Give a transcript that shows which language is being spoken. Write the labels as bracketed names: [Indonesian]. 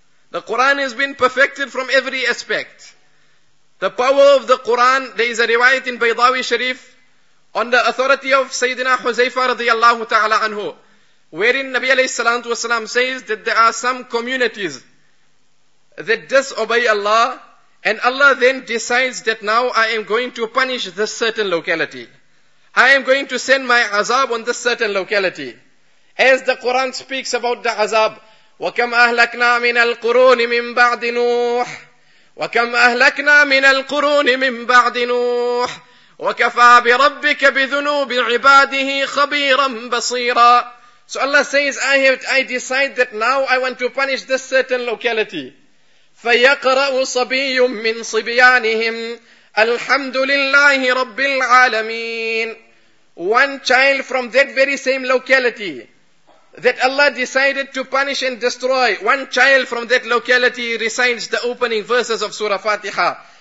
[English] The Quran has been perfected from every aspect. The power of the Quran, there is a riwayat in Baydawi Sharif, on the authority of Sayyidina Huzaifa radiallahu ta'ala anhu, wherein Nabi alayhi salatu wasalam says that there are some communities that disobey Allah, and Allah then decides that now I am going to punish this certain locality. I am going to send my azab on this certain locality. As the Quran speaks about the azab, [Arabic] وَكَمْ أَهْلَكْنَا مِنَ الْقُرُونِ مِنْ بَعْدِ نُوحٍ وَكَمْ أَهْلَكْنَا مِنَ الْقُرُونِ مِنْ بَعْدِ نُوحٍ وَكَفَى بِرَبِّكَ بِذُنُوبِ عِبَادِهِ خَبِيرًا بَصِيرًا. [English] So Allah says, I decide that now I want to punish this certain locality. [Arabic] فَيَقْرَأُ صَبِيٌّ مِّن صِبِيَانِهِمْ أَلْحَمْدُ لِلَّهِ رَبِّ الْعَالَمِينَ. [English] One child from that very same locality that Allah decided to punish and destroy, one child from that locality recites the opening verses of Surah Fatiha.